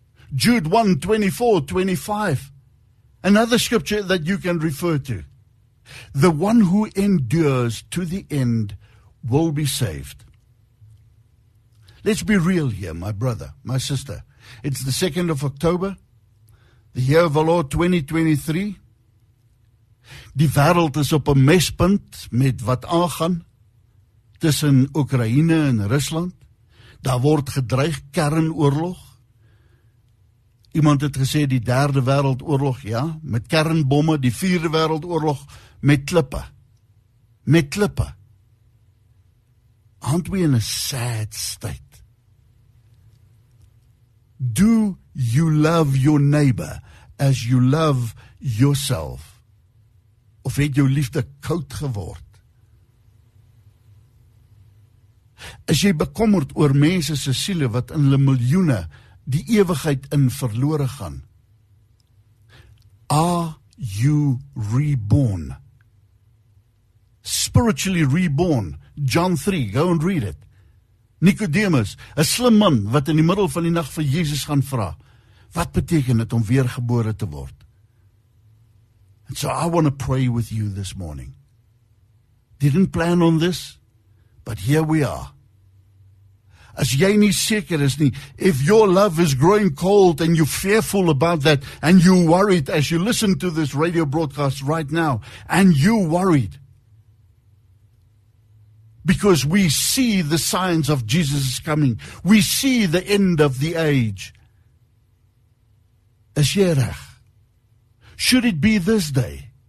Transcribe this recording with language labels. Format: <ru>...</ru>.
<en>Jude 1:24-25. Another scripture that you can refer to. The one who endures to the end will be saved. Let's be real here, my brother, my sister. It's the 2nd of October, the year of the Lord 2023.</en> <af>Die wêreld is op 'n mespunt met wat aangaan tussen Oekraïne en Rusland. Daar word gedreig kernoorlog. Iemand het gesê die derde wêreldoorlog, ja, met kernbomme, die vierde wêreldoorlog met klippe. Met klippe.</af> <en>Aren't we in a sad state? Do you love your neighbor as you love yourself?</en> <af>Of het jou liefde koud geword? Is jy bekommerd oor mense se siele wat in hulle miljoene die ewigheid in verlore gaan?</af> <en>Are you reborn? Spiritually reborn. John 3, go and read it.</en> <af>Nicodemus, 'n slim man wat in die middel van die nag vir Jesus gaan vra, wat beteken dit om weergebore te word?</af> <en>And so I want to pray with you this morning. Didn't plan on this, but here we are.</en> <af>As jy nie seker is nie,</af> <en>if your love is growing cold and you're fearful about that, and you're worried as you listen to this radio broadcast right now, and you're worried because we see the signs of Jesus' coming, we see the end of the age,</en> <af>is jy reg?</af> <en>Should it be this day?</en>